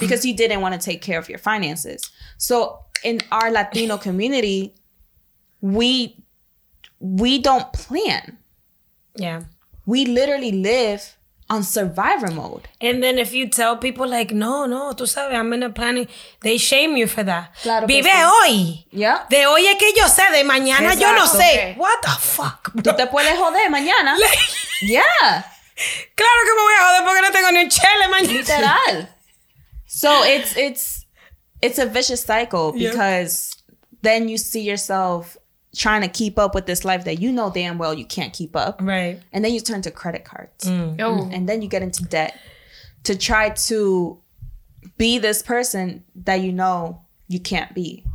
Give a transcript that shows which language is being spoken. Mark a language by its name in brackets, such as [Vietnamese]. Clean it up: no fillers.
[English] Because you didn't want to take care of your finances. So in our Latino community, we don't plan. Yeah. We literally live on survivor mode. And then if you tell people like, no, [Spanish] tú sabes, [English] I'm in a planning, they shame you for that. [Spanish] Claro. Vive hoy. [English] Yeah. [Spanish] De hoy es que yo sé, de mañana yo no sé. [English] Okay. What the fuck, bro? [Spanish] Tú te puedes joder mañana. [English] Yeah. [Spanish] Claro que me voy a joder porque no tengo ni un chele mañana. [English] Literal. So it's a vicious cycle because then you see yourself trying to keep up with this life that you know damn well you can't keep up. Right. And then you turn to credit cards. Mm. Oh. And then you get into debt to try to be this person that you know you can't be.